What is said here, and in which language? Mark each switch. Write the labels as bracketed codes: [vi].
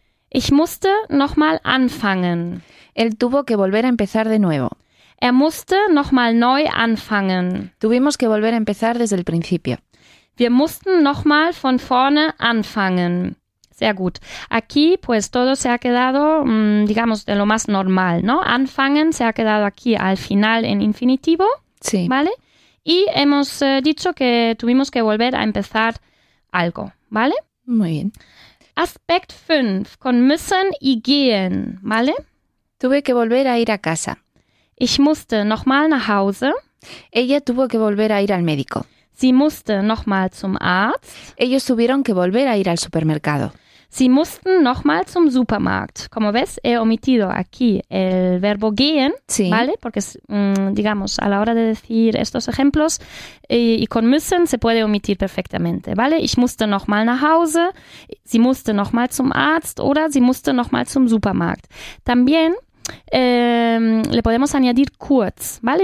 [de] Ich musste nochmal anfangen. [es] Él tuvo que volver a empezar de nuevo. [de] Er musste nochmal neu anfangen. [es] Tuvimos que volver a empezar desde el principio. [de] Wir mussten nochmal von vorne anfangen. Sehr gut. [es] Aquí, pues, todo se ha quedado, digamos, de lo más normal, ¿no? Anfangen se ha quedado aquí al final en infinitivo. Sí. ¿Vale? Y hemos dicho que tuvimos que volver a empezar algo, ¿vale? Muy bien. Aspekt 5, con müssen y gehen, ¿vale? Tuve que volver a ir a casa. [de] Ich musste nochmal nach Hause. [es] Ella tuvo que volver a ir al médico. [de] Sie musste nochmal zum Arzt. [es] Ellos tuvieron que volver a ir al supermercado. [de] Sie mussten nochmal zum Supermarkt. [es] Como ves, he omitido aquí el verbo gehen, sí. ¿Vale? Porque, digamos, a la hora de decir estos ejemplos, y con müssen se puede omitir perfectamente, ¿vale? [de] Ich musste nochmal nach Hause, sie musste nochmal zum Arzt oder sie musste nochmal zum Supermarkt. [es] También le podemos añadir kurz, ¿vale?